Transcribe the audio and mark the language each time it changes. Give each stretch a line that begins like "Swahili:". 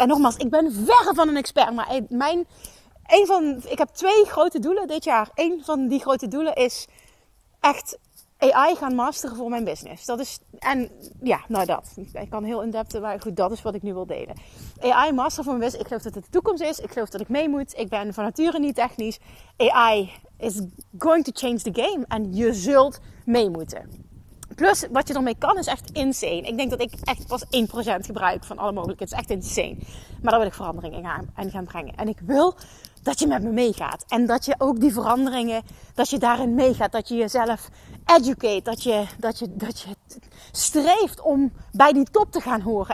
Dutch: En nogmaals, ik ben verre van een expert, maar mijn... Ik heb 2 grote doelen dit jaar. Een van die grote doelen is echt AI gaan masteren voor mijn business. Dat is, en ja, nou dat. Ik kan heel in-depth, maar goed, dat is wat ik nu wil delen. AI masteren voor mijn business. Ik geloof dat het de toekomst is. Ik geloof dat ik mee moet. Ik ben van nature niet technisch.
English: AI is going to change the game.
Dutch: En je zult mee moeten. Plus, wat je ermee kan is echt insane. Ik denk dat ik echt pas 1% gebruik van alle mogelijkheden. Het is echt insane. Maar daar wil ik veranderingen in gaan brengen. En ik wil dat je met me meegaat. En dat je ook die veranderingen, dat je daarin meegaat. Dat je jezelf educate. Dat je streeft om bij die top te gaan horen.